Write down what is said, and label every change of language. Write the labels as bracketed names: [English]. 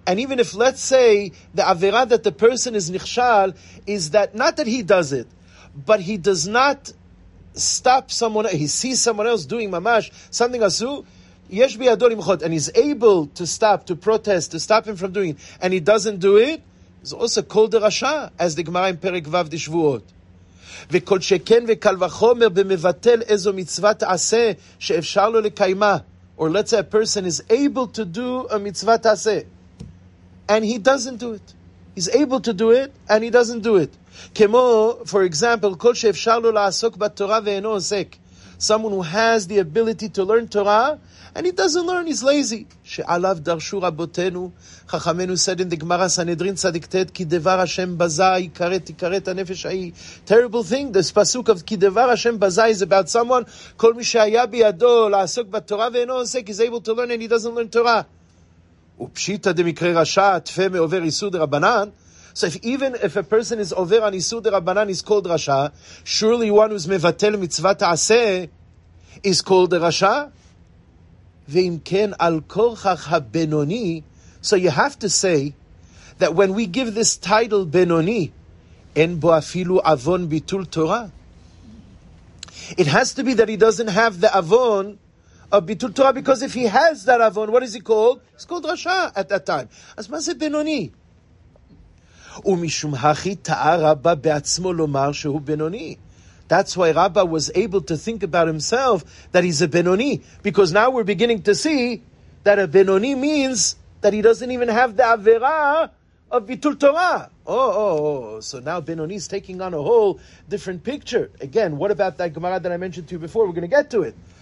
[English] And even if, let's say, the avera that the person is nichshal is that not that he does it, but he does not stop someone, he sees someone else doing mamash, something asu, yesh biyado limchot, and he's able to stop, to protest, to stop him from doing it, and he doesn't do it, it's also called the Rasha, as the Gemara in Perek Vav de Shavuot. [Hebrew] וכל שכן וקל וחומר במבטל איזו מצוות עשה שאפשר לו לקיימה. [English] Or let's say a person is able to do a mitzvah ta'aseh, and he doesn't do it. He's able to do it, and he doesn't do it. [Hebrew] כמו, [English] for example, [Hebrew] כל שאפשר לו לעסוק בתורה ואינו עוסק. [English] Someone who has the ability to learn Torah, and he doesn't learn, he's lazy. [Hebrew] שעליו דרשו רבותינו, חכמנו [English] said in the Gemara Sanhedrin Tzadik Tet, [Hebrew] כי דבר השם בזה יקרת, יקרת הנפש ההיא. [English] Terrible thing, this pasuk of [Hebrew] כי דבר השם בזה [English] is about someone, [Hebrew] כל מי שהיה בידו לעסוק בתורה ואינו עוסק, [English] he's able to learn and he doesn't learn Torah. [Hebrew] ופשיטא דמקרא רשע, תפה מעובר איסור דרבנן. [English] So if even if a person is over on Isud Rabbanan is called Rasha, surely one who's mevatel mitzvah ta'aseh is called Rasha. [Hebrew] Ve'im ken al korchach ha-benoni. [English] So you have to say that when we give this title Benoni, [Hebrew] en bo afilu avon bitul Torah, [English] it has to be that he doesn't have the avon of bitul Torah, because if he has that avon, what is he called? He's called Rasha at that time. As maseh Benoni. [Hebrew] ומשום הכי טעה רבא בעצמו לומר שהוא בינוני. [English] That's why Rabba was able to think about himself that he's a benoni. Because now we're beginning to see that a benoni means that he doesn't even have the avera of bitul Torah. So now benoni is taking on a whole different picture. Again, what about that Gemara that I mentioned to you before? We're going to get to it.